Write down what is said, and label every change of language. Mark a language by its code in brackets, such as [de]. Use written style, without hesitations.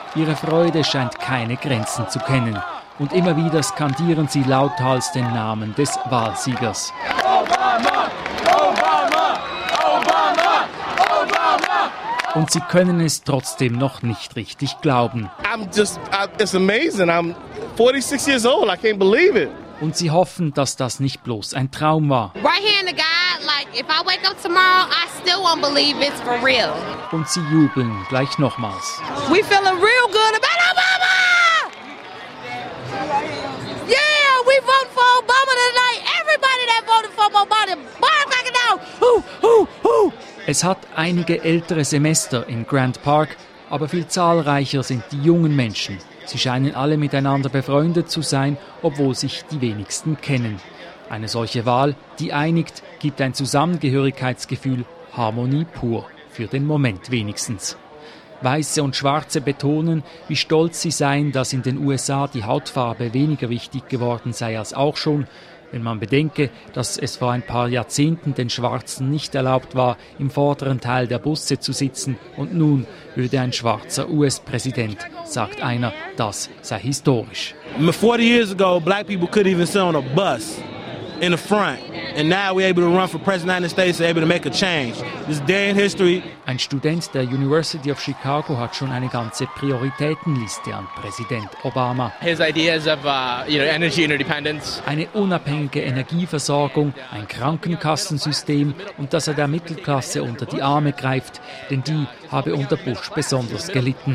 [de] Ihre Freude scheint keine Grenzen zu kennen. Und immer wieder skandieren sie lauthals den Namen des Wahlsiegers. Obama! Obama! Obama! Obama! Und sie können es trotzdem noch nicht richtig glauben. [en] It's amazing. I'm 46 years old. I can't believe it. [de] Und sie hoffen, dass das nicht bloß ein Traum war. [en] Right here in the guy, like if I wake up tomorrow, I still won't believe it's for real. [de] Und sie jubeln gleich nochmals. [en] We feeling real good about Obama! Yeah, we voting for Obama tonight. Everybody that voted for Obama, Barack back it down. [de] Es hat einige ältere Semester in Grand Park, aber viel zahlreicher sind die jungen Menschen. Sie scheinen alle miteinander befreundet zu sein, obwohl sich die wenigsten kennen. Eine solche Wahl, die einigt, gibt ein Zusammengehörigkeitsgefühl, Harmonie pur, für den Moment wenigstens. Weiße und Schwarze betonen, wie stolz sie seien, dass in den USA die Hautfarbe weniger wichtig geworden sei als auch schon, wenn man bedenke, dass es vor ein paar Jahrzehnten den Schwarzen nicht erlaubt war, im vorderen Teil der Busse zu sitzen, und nun würde ein schwarzer US-Präsident, sagt einer, das sei historisch. [en] 40 years ago, black people couldn't even sit on a bus in the front, and now we're able to run for president of the United States, and able to make a change. This day in history. [de] Ein Student der University of Chicago hat schon eine ganze Prioritätenliste an Präsident Obama. [en] His ideas of energy independence. [de] Eine unabhängige Energieversorgung, ein Krankenkassensystem und dass der Mittelklasse unter die Arme greift, denn die habe unter Bush besonders gelitten.